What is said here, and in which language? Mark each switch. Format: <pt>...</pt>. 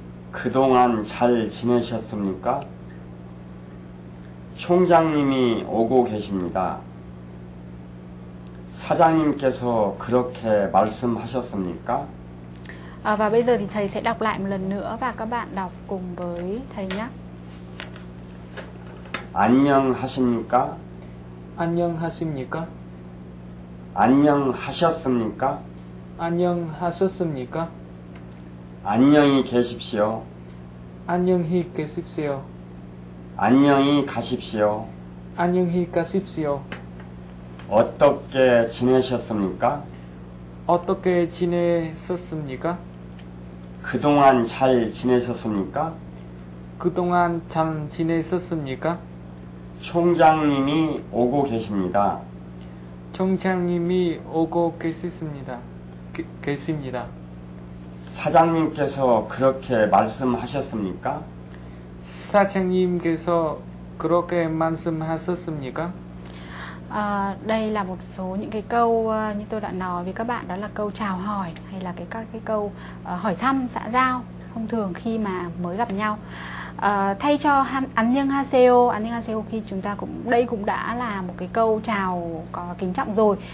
<ko>그동안 잘 지내셨습니까? 총장님이 오고 계십니다. 사장님께서 그렇게 말씀하셨습니까?</ko> <vi>Và bây giờ thì thầy sẽ đọc lại một lần nữa và các bạn đọc cùng với thầy nhé.</vi> <ko>안녕하십니까? 안녕하십니까? 안녕하셨습니까? 안녕하셨습니까? 안녕히 계십시오. 안녕히 계십시오. 안녕히 가십시오. 안녕히 가십시오. 어떻게 지내셨습니까? 어떻게 지내셨습니까? 그동안 잘 지내셨습니까? 그동안 잘 지내셨습니까? 총장님이 오고 계십니다. 총장님이 오고 계십니다. 계십니다. 사장님께서 그렇게 말씀하셨습니까? 사장님께서 그렇게 말씀하셨습니까?</ko> <vi>Đây là một số những cái câu như tôi đã nói với các bạn, đó là câu chào hỏi hay là các cái câu hỏi thăm xã giao thông thường khi mà mới gặp nhau. Thay cho annyeonghaseyo khi chúng ta cũng đây cũng đã là một cái câu chào có kính trọng rồi.</vi>